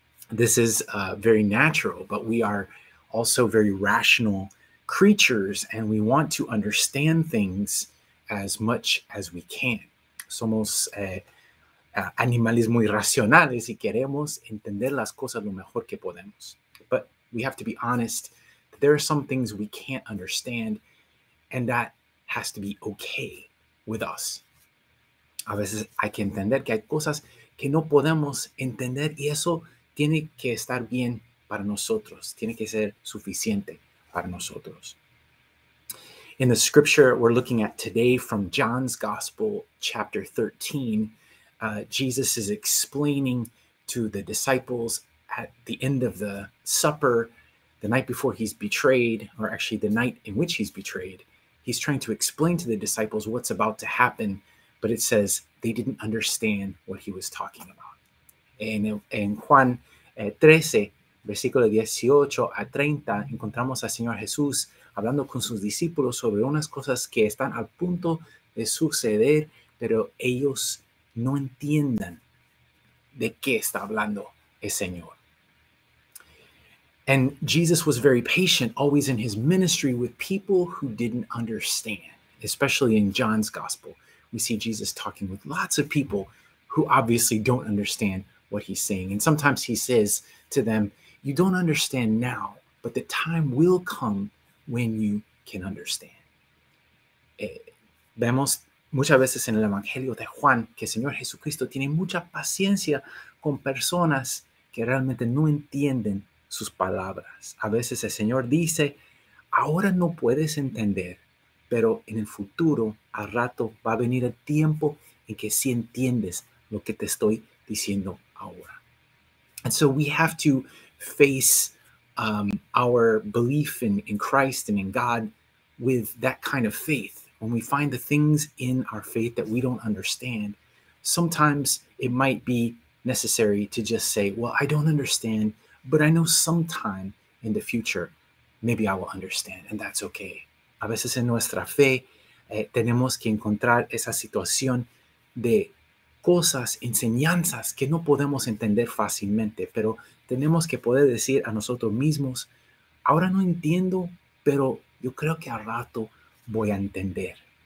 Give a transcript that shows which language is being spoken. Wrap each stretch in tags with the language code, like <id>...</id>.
<en>This is very natural, but we are also very rational creatures and we want to understand things as much as we can.</en> <es>Somos animales muy racionales y queremos entender las cosas lo mejor que podemos.</es> <en>But we have to be honest that there are some things we can't understand and that has to be okay with us.</en> <es>A veces hay que entender que hay cosas que no podemos entender y eso tiene que estar bien para nosotros, tiene que ser suficiente para nosotros.</es> <en>In the scripture we're looking at today from John's Gospel, chapter 13, Jesus is explaining to the disciples at the end of the supper, the night before he's betrayed, or actually the night in which he's betrayed, he's trying to explain to the disciples what's about to happen, but it says they didn't understand what he was talking about.</en> <es>En Juan 13, versículo 18 a 30, encontramos al Señor Jesús hablando con sus discípulos sobre unas cosas que están al punto de suceder, pero ellos no entienden de qué está hablando el Señor.</es> <en>And Jesus was very patient, always in his ministry, with people who didn't understand, especially in John's gospel. We see Jesus talking with lots of people who obviously don't understand what he's saying. And sometimes he says to them, you don't understand now, but the time will come when you can understand.</en> <es>Vemos muchas veces en el Evangelio de Juan que el Señor Jesucristo tiene mucha paciencia con personas que realmente no entienden sus palabras. A veces el Señor dice, ahora no puedes entender, pero en el futuro, al rato, va a venir el tiempo en que sí entiendes lo que te estoy diciendo ahora.</es> <en>And so we have to face our belief in Christ and in God with that kind of faith. When we find the things in our faith that we don't understand, sometimes it might be necessary to just say, well, I don't understand, but I know sometime in the future, maybe I will understand, and that's okay.</en> <es>A veces en nuestra fe tenemos que encontrar esa situación de cosas, enseñanzas que no podemos entender fácilmente, pero tenemos que poder decir a nosotros mismos, ahora no entiendo, pero yo creo que al rato voy a entender.</es>